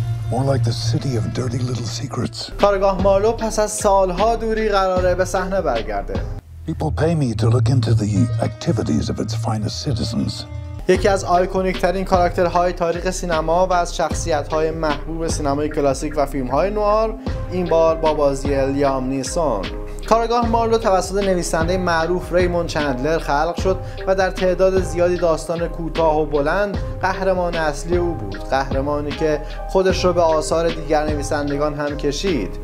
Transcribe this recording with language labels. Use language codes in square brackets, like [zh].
[en] More like the city of dirty little secrets. [fa] کارگاه مارلو پس از سالها دوری قراره به صحنه برگرده. [en] People pay me to look into the activities of its finest citizens. [fa] یکی از آیکونیک ترین کاراکترهای تاریخ سینما و از شخصیت‌های محبوب سینمای کلاسیک و فیلم‌های نوار این بار با بازی لیام نیسون. کارگاه مارلو توسط نویسنده معروف ریمون چندلر خلق شد و در تعداد زیادی داستان کوتاه و بلند قهرمان اصلی او بود، قهرمانی که خودش رو به آثار دیگر نویسندگان هم کشید.